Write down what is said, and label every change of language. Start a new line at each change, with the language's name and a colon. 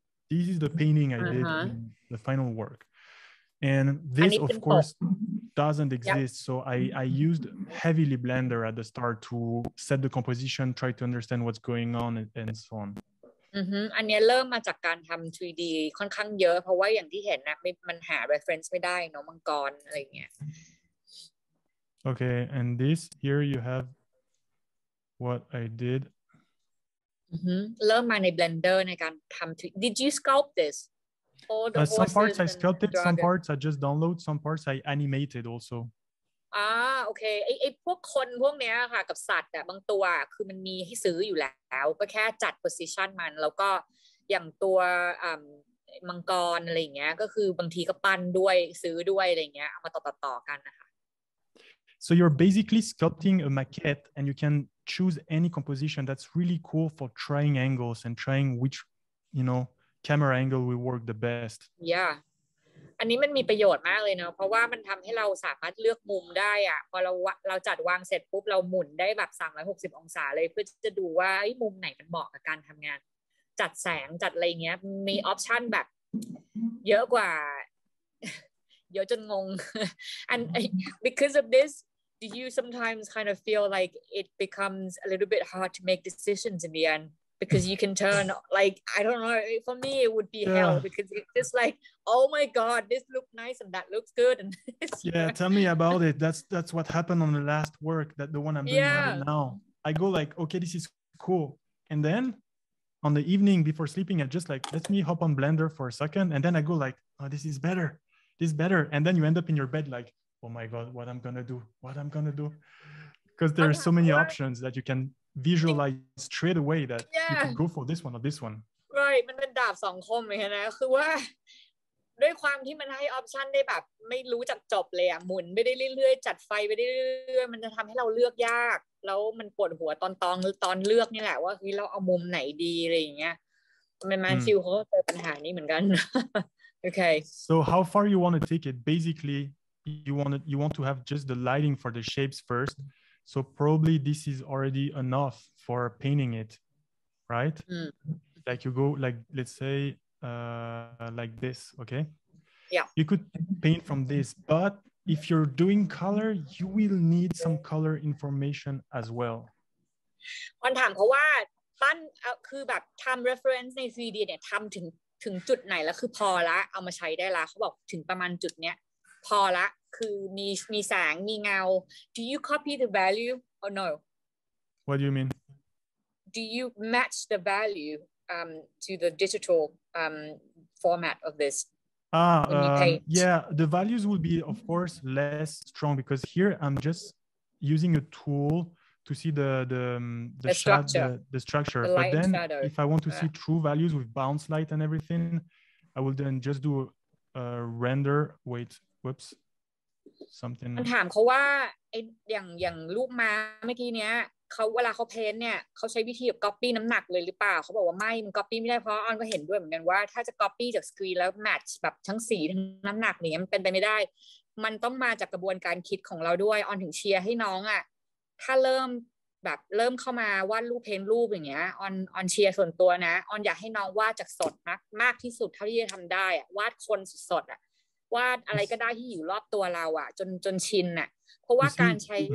English: This is the painting I did, the final work. And this, of course, doesn't exist. Yep. So I used heavily Blender at the start to set the composition, try to understand what's going on and so on.
Thai: อันนี้เริ่มมาจากการทำ 3D ค่อนข้างเยอะเพราะว่าอย่างที่เห็นนะมันหา reference ไม่ได้เนาะมังกรอะไรเงี้ย
English: Okay, and this here you have what I did.
Thai: เริ่มมาใน blender ในการทำ 3D
English: did you sculpt this some parts I sculpted some parts I just download some parts I animated also
Thai: โอเคไอ้พวกคนพวกเนี้ยค่ะกับสัตว์อะบางตัวคือมันมีให้ซื้ออยู่แล้วก็แค่จัด position มันแล้วก็อย่างตัวมังกรอะไรเงี้ยก็คือบางทีก็ปั้นด้วยซื้อด้วยอะไรเงี้ยเอามาต่อกันนะคะ
English: so you're basically sculpting a maquette and you canChoose any composition that's really cool for trying angles and trying which, you know, camera angle will work the best. Yeah.
Thai: อันนี้มันมีประโยชน์มากเลยเนาะเพราะว่ามันทำให้เราสามารถเลือกมุมได้อะพอเราจัดวางเสร็จปุ๊บเราหมุนได้แบบ360องศาเลยเพื่อจะดูว่ามุมไหนมันเหมาะกับการทำงานจัดแสงจัดอะไรเงี้ยมีออปชันแบบเยอะกว่าเยอะจนงง
English: and because of thisDo you sometimes kind of feel like it becomes a little bit hard to make decisions in the end? Because you can turn, like, I don't know, for me it would be hell because it's just like, oh my God, this looks nice and that looks good. And yeah, tell me about it. That's what happened on the last work, that the one I'm doing right now. I go like, okay, this is cool. And then on the evening before sleeping, I just like, let me hop on Blender for a second. And then I go like, oh, this is better. This is better. And then you end up in your bed like,oh my God, what I'm gonna do? What I'm gonna do? Because there are so many options that you can visualize straight away that you can go for this one or this one.
Thai: Right, มันเป็นดาบสองคมเหมือนกันนะคือว่าด้วยความที่มันให้ออปชันได้แบบไม่รู้จักจบเลยอ่ะหมุนไปได้เรื่อยๆจัดไฟไปได้เรื่อยๆมันจะทำให้เราเลือกยากแล้วมันปวดหัวตอนเลือกนี่แหละว่าเฮ้ยเราเอามุมไหนดีอะไรอย่างเงี้ยมันมาชิวเขาเจอปัญหานี้เหมือนกันโอเค
English: So how far you want to take it basically? You want to have just the lighting for the shapes first, so probably this is already enough for painting it, right? Mm. Like you go like let's say like this, okay? Yeah. You could paint from this, but if you're doing color, you will need some color information as well.
Thai: คนถามเขาว่าปั้นคือแบบทำ reference ใน 3D เนี่ยทำถึงจุดไหนแล้วคือพอละเอามาใช้ได้ละเขาบอกถึงประมาณจุดเนี้ยพอละคือมีแสงมีเงา
English: Do you copy the value or no? What do you mean? Do you match the value to the digital format of this? Yeah, the values will be of course less strong because here I'm just using a tool to see the structure. The but then shadow. If I want to see true values with bounce light and everything, I will then just do a render. Wait, whoops. Something.
Thai: มันถามเขาว่าไอ้อย่างรูปม้าเมื่อกี้เนี้ยเขาเวลาเขาเพ้นเนี่ยเขาใช้วิธีแบบก๊อปปี้น้ำหนักเลยหรือเปล่าเขาบอกว่าไม่มันก๊อปปี้ไม่ได้เพราะออนก็เห็นด้วยเหมือนกันว่าถ้าจะก๊อปปี้จากสกรีนแล้วแมทช์แบบทั้งสีทั้งน้ำหนักเนี่ยมันเป็นไปไม่ได้ มันต้องมาจากกระบวนการคิดของเราด้วยออนถึงเชียร์ให้น้องอ่ะถ้าเริ่มเข้ามาวาดรูปเพ้นรูปอย่างเงี้ยออนเชียร์ส่วนตัวนะออนอยากให้น้องวาดจากสดมากที่สุดเท่าที่จะทำได้อ่ะวาดคนสดอ่ะวาดอะไรก็ได้ที่อยู่รอบตัวเราอะจนชินอะเพราะว่าการใ